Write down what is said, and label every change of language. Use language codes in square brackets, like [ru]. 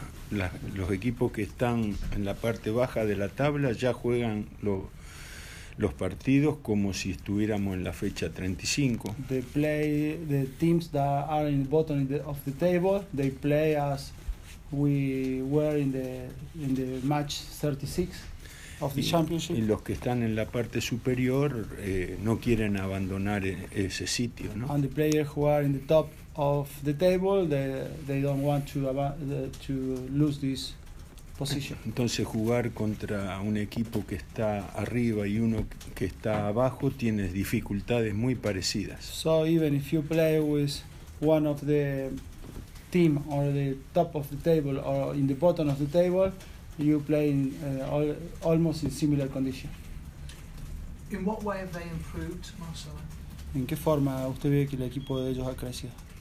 [es] Los equipos que están en la parte baja de la tabla ya juegan los partidos como si estuviéramos en la fecha 35. [en] They play the teams that are in the bottom of the table. They play as we were in the match 36 of the championship. [es] Y los que están en la parte superior no quieren abandonar ese sitio, ¿no? [en] And the players who are in the top of the table, they don't want to lose this position. [es] Entonces jugar contra un equipo que está arriba y uno que está abajo tiene dificultades muy parecidas. [en] So even if you play with one of the team or the top of the table or in the bottom of the table, you play in almost in similar condition. In what way have they improved, Marcelo? [es] ¿En qué forma usted ve que el equipo de ellos ha crecido?